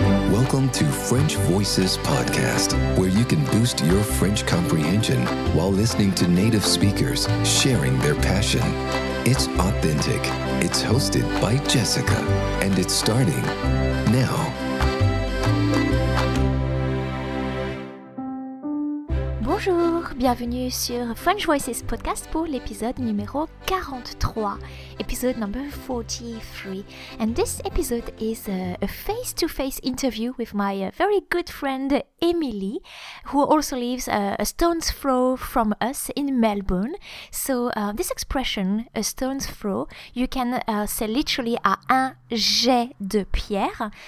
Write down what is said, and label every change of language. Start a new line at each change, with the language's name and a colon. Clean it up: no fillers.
English: Welcome to French Voices Podcast, where you can boost your French comprehension while listening to native speakers sharing their passion. It's authentic. It's hosted by Jessica, and it's starting now.
French: Bonjour, bienvenue sur French Voices Podcast pour l'épisode numéro 43,
English: episode number 43. And this episode is a face-to-face interview with my very good friend Emily, who also lives a stone's throw from us in Melbourne. So this expression, a stone's throw, you can say literally
French: à un jet de pierre.